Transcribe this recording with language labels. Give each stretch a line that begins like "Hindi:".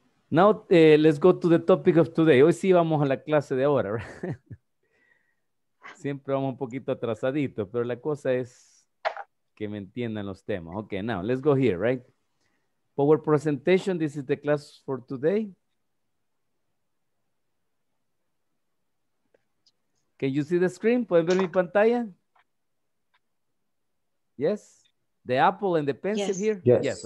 English: Now let's go to the topic of today.
Spanish: Hoy sí vamos a la clase de ahora. Siempre vamos un poquito atrasadito, pero la cosa es que me entiendan los temas.
English: Okay, now let's go here, right? Power presentation, this is the class for today. Can you see the screen?
Spanish: ¿Pueden ver mi pantalla?
English: Yes? The apple and the pencil yes. here? Yes.